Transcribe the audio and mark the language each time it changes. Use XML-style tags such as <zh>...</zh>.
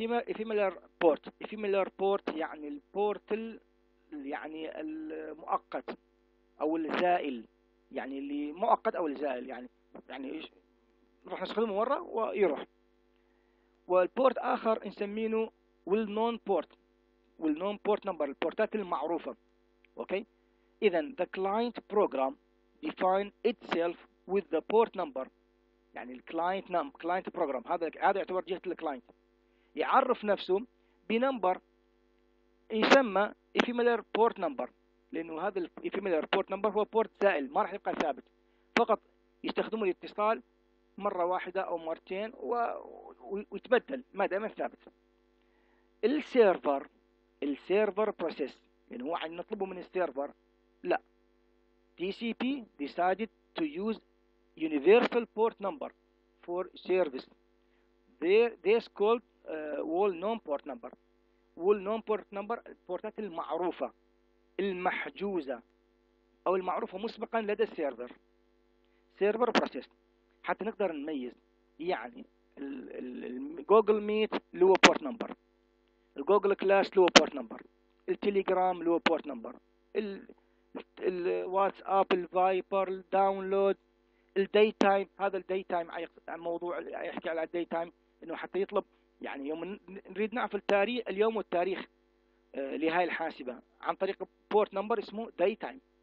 <ar>إفيميلر بورت، إفيميلر بورت يعني البورت يعني المؤقت أو الزائل، يعني اللي مؤقت أو الزائل يعني راح نستخدمه مرة ويروح. والبورت آخر نسمينه well known port،</ar> <en>well known port number،</en> <ar>البورتات المعروفة. أوكي، إذا</ar> <en>the client program define itself with the port number،</en> <ar>يعني الكلاينت نام كلاينت بروجرام، هذا يعتبر جهة الكلاينت، يعرف نفسه بنمبر يسمى إفيميلر بورت نمبر، لأنه هذا إفيميلر بورت نمبر هو بورت زائل ما راح يبقى ثابت، فقط يستخدمه للاتصال مرة واحدة أو مرتين ويتبدل ما دائما ثابت. السيرفر بروسيس، يعني هو عن نطلبه من السيرفر، لا</ar> <en>TCP decided to use universal port number for service. This called well known port number. Well known port number</en> <ar>البورتات المعروفة المحجوزة أو المعروفة مسبقا لدى السيرفر. سيرفر بروسيس حتى نقدر نميز، يعني الجوجل ميت له بورت نمبر، الجوجل كلاس له بورت نمبر، التليجرام له بورت نمبر، الواتساب، الفايبر، الداونلود، الداي تايم، هذا الداي تايم عن موضوع يحكي على الداي تايم، انه حتى يطلب يعني يوم نريد نعرف التاريخ اليوم والتاريخ لهاي الحاسبه عن طريق بورت نمبر اسمه داي تايم.</ar>